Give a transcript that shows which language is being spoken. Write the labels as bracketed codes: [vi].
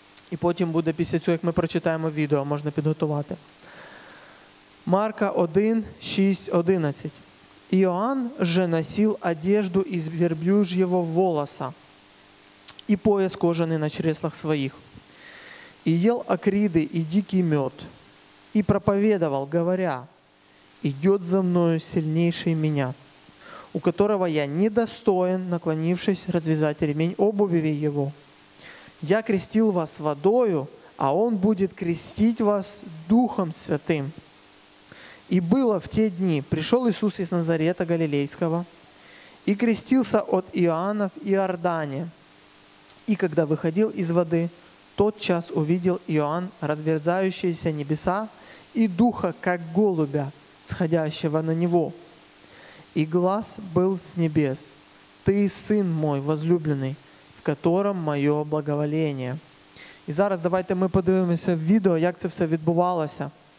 [uk] І потім буде після цього, як ми прочитаємо відео, можна підготувати. [ru] Марка 1, 6, 11. Іоанн же носив одежду із верблюжьего волоса і пояс кожаний на чреслах своїх. И ел акриды и дикий мед, и проповедовал, говоря, идет за мною сильнейший меня, у которого я недостоин, наклонившись, развязать ремень обуви его. Я крестил вас водою, а он будет крестить вас Духом Святым. И было в те дни, пришел Иисус из Назарета Галилейского и крестился от Иоанна в Иордане. И когда выходил из воды, тотчас увидел Иоанн разверзающиеся небеса и духа, как голубя, сходящего на него. И глас был с небес: «Ты сын мой возлюбленный, в котором мое благоволение». [uk] И зараз давайте ми подивимося в відео, як це все відбувалося.